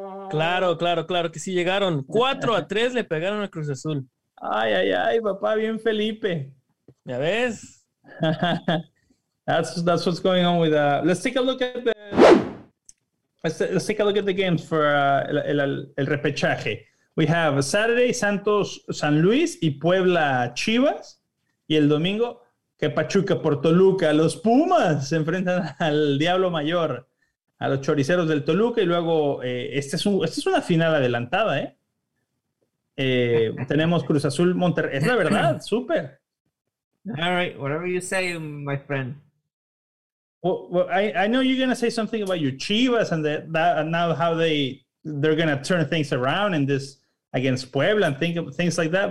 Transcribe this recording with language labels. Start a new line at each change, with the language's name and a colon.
Spanish: Claro, claro, claro que sí llegaron. 4-3 le pegaron a Cruz Azul. Ay, ay, ay, papá, bien Felipe. ¿Ya ves?
English: That's what's going on with let's take a look at the games for el repechaje. We have Saturday
Spanish: Santos San Luis y Puebla Chivas y el domingo que Pachuca por Toluca, los Pumas se enfrentan al Diablo Mayor, a los choriceros del Toluca y luego esta es una final adelantada, tenemos Cruz Azul Monterrey, es la verdad, súper.
English: All right, whatever you say, my friend. Well, I know you're gonna say something about your Chivas and now how they're gonna turn things around in this against Puebla and things like that.